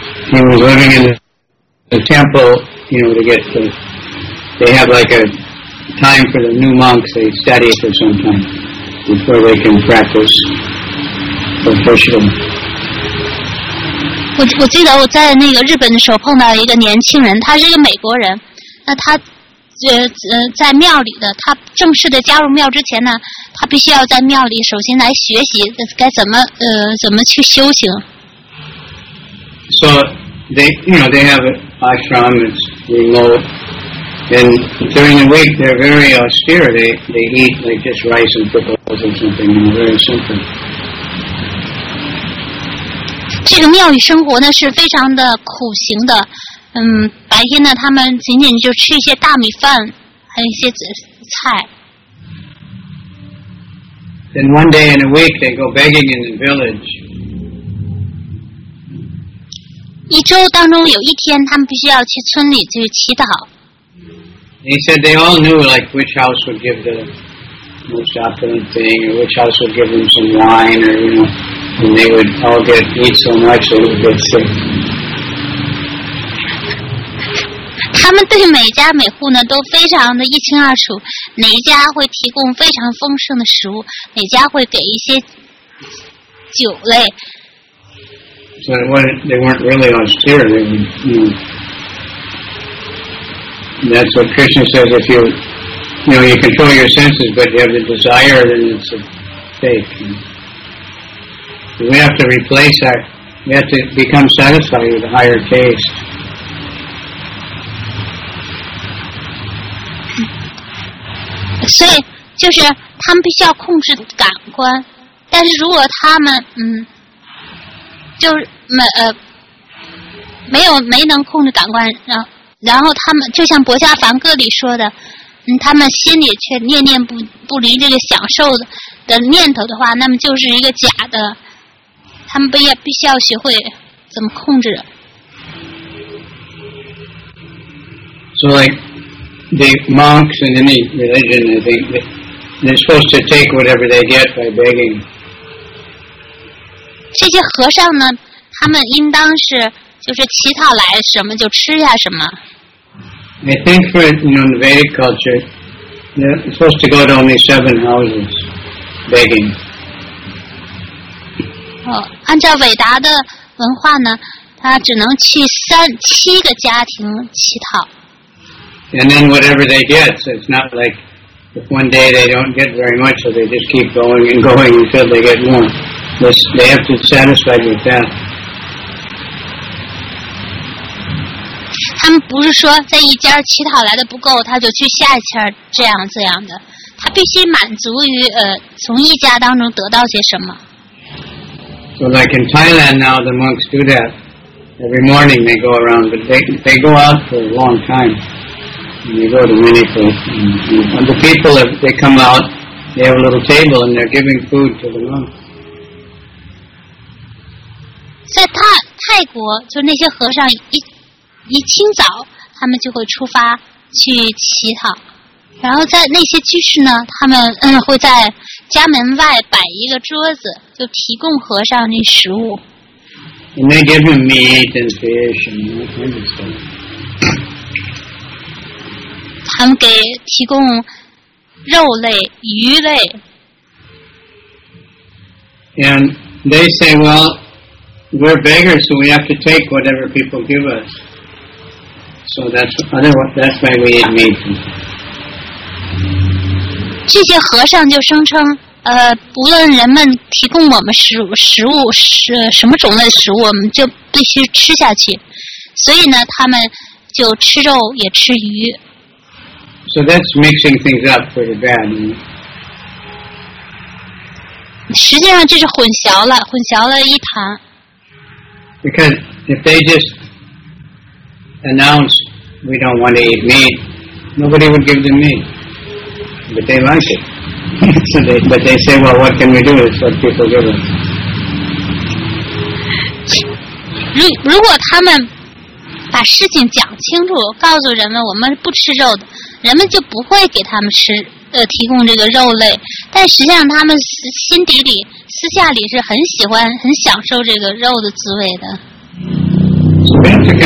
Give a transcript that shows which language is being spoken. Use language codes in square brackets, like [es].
[en] He was living in the temple you know, to get to, they have like a time for the new monks, they study for some time before they can practice officially. [zh] 我记得我在那个日本的时候碰到一个年轻人，他是一个美国人，那他在庙里的，他正式的加入庙之前呢，他必须要在庙里首先来学习该怎么去修行。 [en] So they, you know, they have an ashram, it's remote, and during the week they're very austere. They eat like just rice and pickles or something, you know, very simple. [zh] 这个庙宇生活呢是非常的苦行的，嗯，白天呢他们仅仅就吃一些大米饭，还有一些菜。 [en] Then one day in a week they go begging in the village. [zh] 一周当中有一天，他们必须要去村里去乞讨。 [en] He said they all knew like which house would give the most opulent thing, or which house would give them some wine, or you know. And they would all get eat so much they would get sick. [zh] 他们对每家每户呢都非常的一清二楚，哪一家会提供非常丰盛的食物，哪家会给一些酒类。 [en] So they weren't really austere. They would, you know, that's what Krishna says. If you, you know, you control your senses, but you have the desire, then it's a fake. We have to replace that. We have to become satisfied with a higher taste. [zh] 所以就是他们必须要控制感官，但是如果他们就没能控制感官，然后他们就像《薄伽梵歌》里说的，他们心里却念念不离这个享受的念头的话，那么就是一个假的。他们必须要学会怎么控制。 [en] So like the monks in any religion, I think they're supposed to take whatever they get by begging. [zh] 这些和尚呢，他们应当是就是乞讨来什么就吃下什么。 [en] I think for, you know, in the Vedic culture, they're supposed to go to only 7 houses begging. [zh] 按照伟达的文化呢，他只能去七个家庭乞讨。 [en] And then whatever they get, so it's not like if one day they don't get very much, so they just keep going and going until they get more. They have to satisfy with that. [zh] 他们不是说在一家乞讨来的不够，他就去下一家这样这样的，他必须满足于从一家当中得到些什么。 [en] So like in Thailand now, the monks do that. Every morning they go around, but they go out for a long time. And they go to many places. And the people, if they come out, they have a little table and they're giving food to the monks. [zh] 在泰国，就那些和尚一清早，他们就会出发去乞讨。然后在那些居士呢，他们会在家门外摆一个桌子，就提供和尚那食物。 [en] And they give him meat and fish and all kinds of stuff. [zh] 他们给提供肉类、鱼类。 [en] And they say, well, we're beggars, so we have to take whatever people give us. So that's why we eat meat. [zh] 这些和尚就声称。不论人们提供我们食物什么种类食物，我们就必须吃下去。所以呢，他们就吃肉也吃鱼。 [en] So that's mixing things up pretty bad. [zh] 实际上这是混淆了一谈。 [en] Because if they just announce we don't want to eat meat, nobody would give them meat, but they like it. But they say, well, what can we do? It's what people give us. [zh] 如果他们把事情讲清楚，告诉人们我们不吃肉的，人们就不会给他们吃提供这个肉类。但实际上，他们心底里、私下里是很喜欢、很享受这个肉的滋味的。